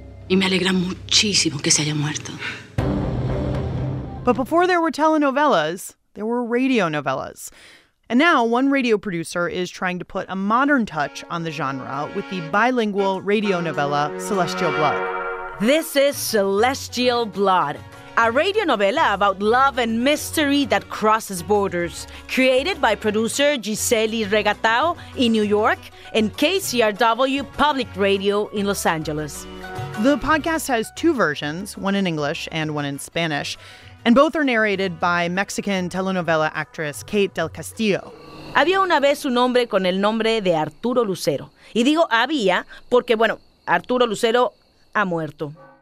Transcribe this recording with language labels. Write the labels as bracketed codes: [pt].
[es] Y me alegra muchísimo que se haya muerto. [en] But before there were telenovelas, there were radio novelas. And now, one radio producer is trying to put a modern touch on the genre with the bilingual radio novela Celestial Blood. This is Celestial Blood, a radio novela about love and mystery that crosses borders, created by producer Giseli Regatao in New York and KCRW Public Radio in Los Angeles. The podcast has two versions, one in English and one in Spanish, and both are narrated by Mexican telenovela actress Kate del Castillo. [es] Había una vez un hombre con el nombre de Arturo Lucero. Y digo había porque, bueno, Arturo Lucero ha muerto.